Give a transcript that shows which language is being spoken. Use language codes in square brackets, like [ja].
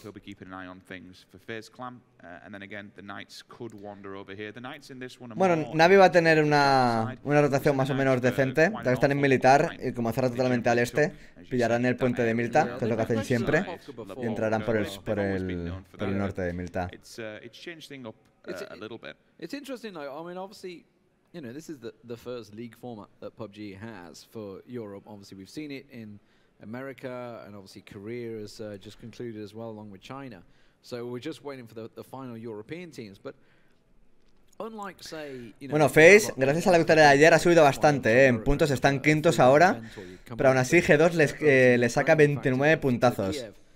[en] He'll be keeping an eye on things for FaZe Clan, and then again the Knights could wander over here. The Knights in this one. [es] Bueno, Navi va a tener una rotación más o menos decente. Ya que están en militar y como cerrar totalmente al este, pillarán el puente de Milta, que es lo que hacen siempre, y entrarán por el norte de Milta. [en] It's changed things up a little bit. It's interesting, though. I mean, obviously. You know, this is the first league format that PUBG has for Europe. Obviously, we've seen it in America, and obviously Korea has just concluded as well, along with China. So we're just waiting for the final European teams. But unlike, say, you know, [es] bueno, FaZe, gracias a la victoria de ayer, ha subido bastante, ¿eh? En puntos están quintos ahora, pero aún así G2 les saca 29 puntazos.